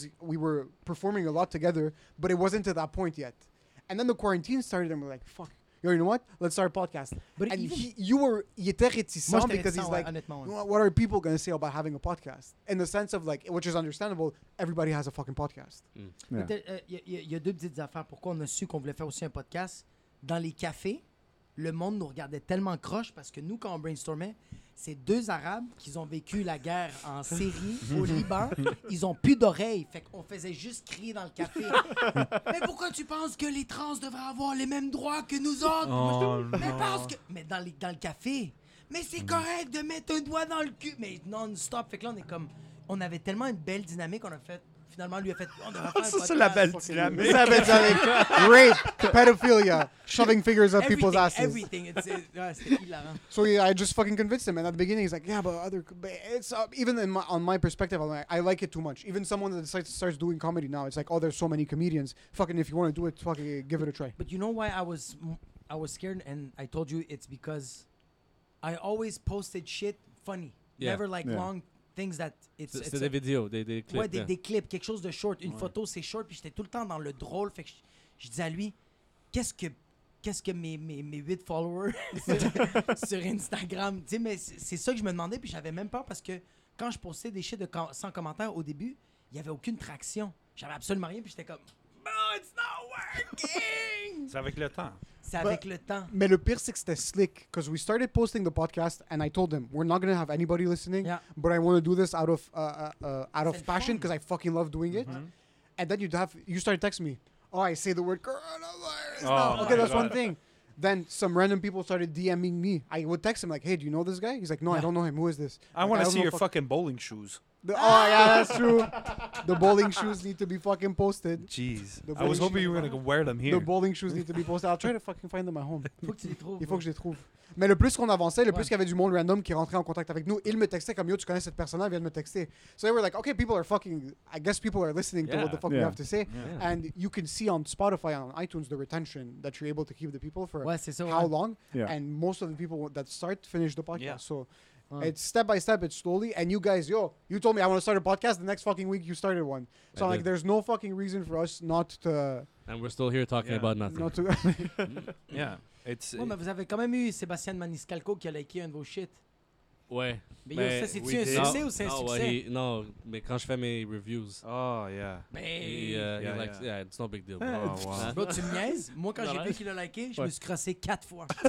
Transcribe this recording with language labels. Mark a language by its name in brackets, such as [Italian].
[English] We were performing a lot together, but it wasn't to that point yet. And then the quarantine started, and we're like, fuck. Yo, you know what? Let's start a podcast. But and what are people going to say about having a podcast? In the sense of like, which is understandable, everybody has a fucking podcast. Mm. Yeah. [French] Il y a deux petites affaires. Pourquoi on a su qu'on voulait faire aussi un podcast? Dans les cafés, le monde nous regardait tellement croche parce que nous, quand on brainstormait, c'est deux Arabes qui ont vécu la guerre en Syrie, au Liban. Ils ont plus d'oreilles. Fait qu'on faisait juste crier dans le café. Mais pourquoi tu penses que les trans devraient avoir les mêmes droits que nous autres? Oh, mais parce que. Mais dans le café. Mais c'est correct de mettre un doigt dans le cul. Mais non-stop. Fait que là, on est comme. On avait tellement une belle dynamique, on a fait. Finalement, lui a fait. On devrait faire ça, la belle dynamique. La belle dynamique. [English] Rape, pedophilia, shoving fingers up people's asses. Everything. It's hilarant. So yeah, I just fucking convinced him. And at the beginning, he's like, yeah, but it's even in my, on my perspective, I'm like, I like it too much. Even someone that decides to start doing comedy now, it's like, oh, there's so many comedians. Fucking, if you want to do it, fucking give it a try. But you know why I was scared? And I told you it's because I always posted shit funny. Yeah. Never like long. Things that [French] c'est des vidéos, des clips. Ouais, des clips, quelque chose de short. Une photo, c'est short. Puis j'étais tout le temps dans le drôle. Fait que je disais à lui, qu'est-ce que mes 8 followers sur Instagram. Tu sais, mais c'est ça que je me demandais, puis j'avais même peur parce que quand je postais des shit de sans commentaires au début, il n'y avait aucune traction. J'avais absolument rien, puis j'étais comme, [English] oh, it's not working! [French] C'est avec le temps. C'est avec le temps. Mais le pire, c'est que c'était slick, [English] because we started posting the podcast, and I told them, we're not going to have anybody listening, but I want to do this out of passion, because I fucking love doing it. Mm-hmm. And then you started texting me, oh, I say the word coronavirus. Oh, okay, that's one thing. Then some random people started DMing me. I would text him like, hey, do you know this guy? He's like, no, I don't know him. Who is this? I want to see your fucking bowling shoes. Oh, yeah, that's true. The bowling shoes need to be fucking posted. Jeez. I was hoping you were going to wear them here. The bowling shoes need to be posted. I'll try to fucking find them at home. [French] Il faut que je les trouve. Mais le plus qu'on avançait, le plus qu'il y avait du monde random qui rentrait en contact avec nous, il me textait comme, yo, tu connais cette personne-là, elle vient de me texter. [English] So they were like, okay, people are fucking, I guess people are listening to what the fuck we have to say. Yeah. And you can see on Spotify, on iTunes, the retention that you're able to keep the people for long. Yeah. And most of the people that start finish the podcast. Yeah. So it's step by step, it's slowly. And you guys, yo, you told me I want to start a podcast. The next fucking week, you started one. So I'm like, there's no fucking reason for us not to. And we're still here talking about nothing. Not to It's [French] ouais, mais vous avez quand même eu Sébastien Maniscalco qui a liké un de vos shit. Ouais. Mais c'est un succès ou c'est un succès? Non, mais quand je fais mes reviews. [English] Oh, yeah. Yeah, it's no big deal. Oh, [French] wow. Bro, tu me niaises? Moi, quand j'ai vu qu'il a liké, je me suis crossé 4 fois.